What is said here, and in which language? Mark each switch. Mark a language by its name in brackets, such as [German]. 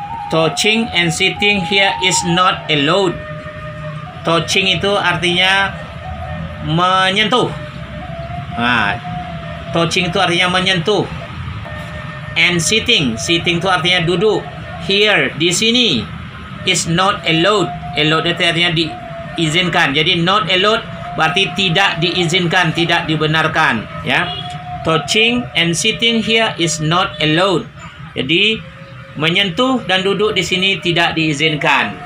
[English] Touching and sitting here is not allowed. [Indonesian] Touching itu artinya menyentuh. Nah, touching itu artinya menyentuh. And sitting, sitting itu artinya duduk. [English] Here, [Indonesian] di sini, [English] is not allowed. [Indonesian] Allowed itu artinya diizinkan. Jadi not allowed berarti tidak diizinkan, tidak dibenarkan. [English] Ya, touching and sitting here is not allowed. [Indonesian] Jadi menyentuh dan duduk di sini tidak diizinkan.